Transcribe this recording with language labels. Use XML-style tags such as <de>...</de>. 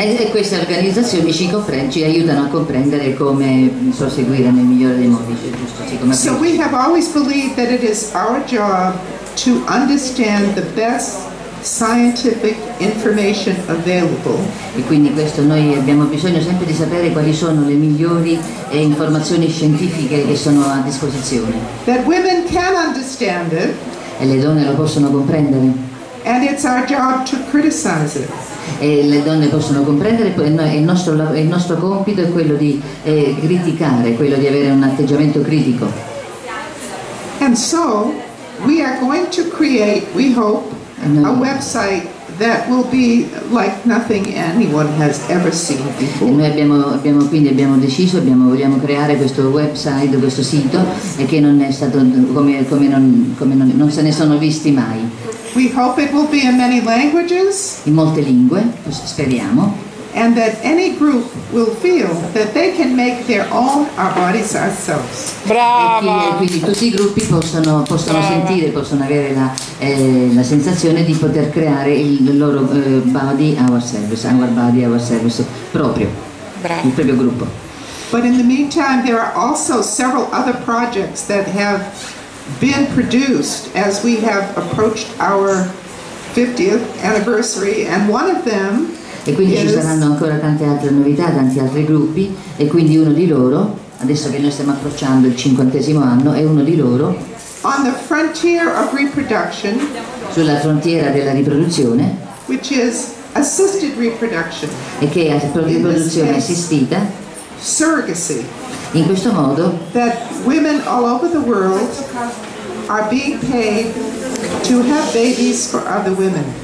<it>queste organizzazioni ci aiutano a comprendere come proseguire nel migliore dei modi, giusto?</it> <en>So we have always believed that it is our job to understand the best scientific information available.</en> <it>E quindi questo, noi abbiamo bisogno sempre di sapere quali sono le migliori informazioni scientifiche che sono a disposizione.</it> <en>That women can understand it.</en> <it>E le donne lo possono comprendere.</it> <en>And it's our job to criticize it.</en> <it>E le donne possono comprendere, e il nostro compito è quello di criticare, quello di avere un atteggiamento critico.</it> <en>And so we are going to create, we hope, a website that will be like nothing anyone has ever seen before.</en> <it>E noi vogliamo creare questo website, questo sito, e che non è stato come non se ne sono visti mai.</it> <en>We hope it will be in many languages.</en> <it>In molte lingue, speriamo.</it> <en>And that any group will feel that they can make their own our bodies ourselves.</en> <it>Brava. E quindi tutti i gruppi possono sentire, possono avere la sensazione di poter creare il loro body ourselves, our body ourselves proprio. Brava. Il proprio gruppo.</it> <en>But in the meantime, there are also several other projects that have been produced as we have approached our 50th anniversary, and one of them.</en> <it>E quindi ci saranno ancora tante altre novità, tanti altri gruppi, e quindi uno di loro, adesso che noi stiamo approcciando il 50° anno, è uno di loro</it> <en>on the frontier of reproduction,</en> <it>sulla frontiera della riproduzione,</it> <en>which is assisted reproduction,</en> <it>e che è riproduzione assistita,</it> <en>surrogacy,</en> <it>in questo modo</it> <en>that women all over the world are being paid to have babies for other women.</en>